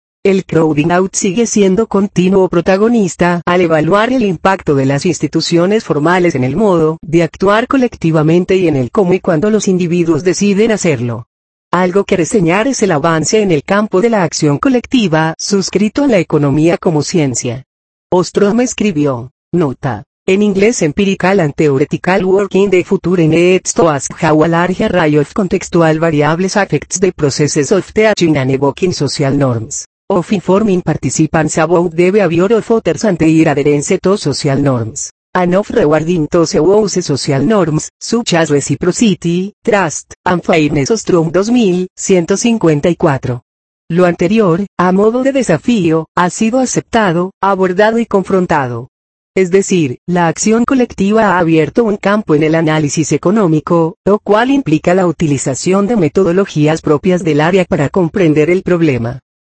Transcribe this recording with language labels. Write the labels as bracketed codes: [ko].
[es] El crowding out sigue siendo continuo protagonista al evaluar el impacto de las instituciones formales en el modo de actuar colectivamente y en el cómo y cuándo los individuos deciden hacerlo. Algo que reseñar es el avance en el campo de la acción colectiva suscrito a la economía como ciencia. Ostrom escribió, nota. En inglés [en] empirical and theoretical work in the future in aids to ask how a large array of contextual variables affects the processes of teaching and evoking social norms, of informing participants about the behavior of others and their adherence to social norms, and of rewarding those who use social norms, such as reciprocity, trust, and fairness Ostrom 2154. [es] Lo anterior, a modo de desafío, ha sido aceptado, abordado y confrontado. Es decir, la acción colectiva ha abierto un campo en el análisis económico, lo cual implica la utilización de metodologías propias del área para comprender el problema.